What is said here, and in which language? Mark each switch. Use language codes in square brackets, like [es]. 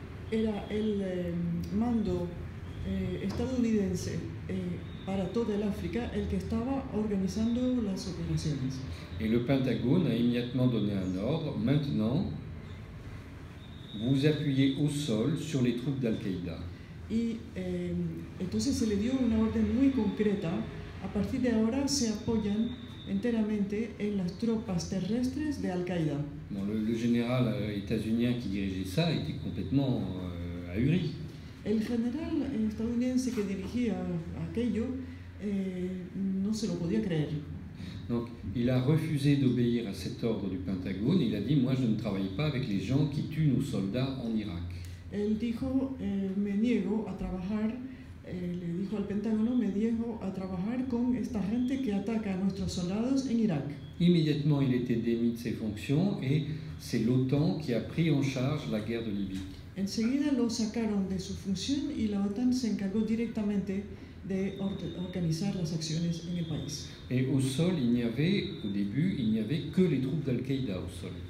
[es] Era el mando estadounidense para toda el África el que estaba organizando las operaciones. [fr] Et le Pentagone a immédiatement donné un ordre. Maintenant, vous appuyez au sol sur les troupes d'Al-Qaïda. [es] Y entonces se le dio una orden muy concreta. A partir de ahora se apoyan enteramente en las tropas terrestres de Al-Qaïda. [fr] Bon, le général états-unien qui dirigeait ça était complètement ahuri. [es] El general estadounidense que dirigía aquello no se lo podía creer. [fr] Donc, il a refusé d'obéir à cet ordre du Pentagone. Il a dit, moi je ne travaille pas avec les gens qui tuent nos soldats en Irak. [es] Él dijo, me niego a trabajar, le dijo al Pentágono, me niego a trabajar con esta gente que ataca a nuestros soldados en Irak. [fr] Immédiatement, il était démis de ses fonctions et c'est l'OTAN qui a pris en charge la guerre de Libye. [es] Enseguida lo sacaron de su función y la OTAN se encargó directamente de organizar las acciones en el país. [fr] Et au sol, il n'y avait, au début, il n'y avait que les troupes d'Al-Qaïda au sol.